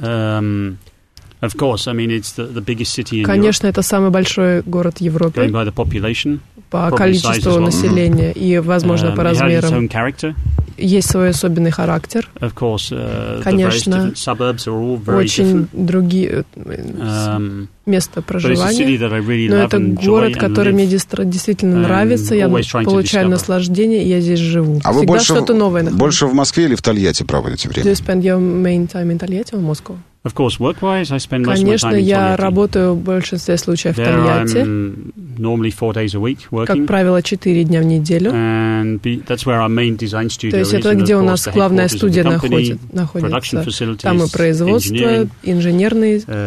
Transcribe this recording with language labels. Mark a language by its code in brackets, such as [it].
[en] Of course, I mean it's the biggest city in. [ru] Конечно, это самый большой город Европы. [en] Going by the population. [ru] По количеству населения и, возможно, по размерам. Есть свой особенный характер. Конечно, очень другие места проживания. Но это город, который мне действительно нравится. Я получаю наслаждение, и я здесь живу. А вы больше в Москве или в Тольятти проводите время? [en] Do you spend your main time in Тольятти or Moscow? Of course, work-wise, I spend [ru] Конечно, [en] most of my time in [ru] я работаю в большинстве случаев в Тольятти. [en] There I'm normally 4 days a week working. [ru] Как правило, 4 дня в неделю. [en] And that's where our main design studio is. [ru] То есть это где у нас главная студия находится. Там мы производство, инженерные.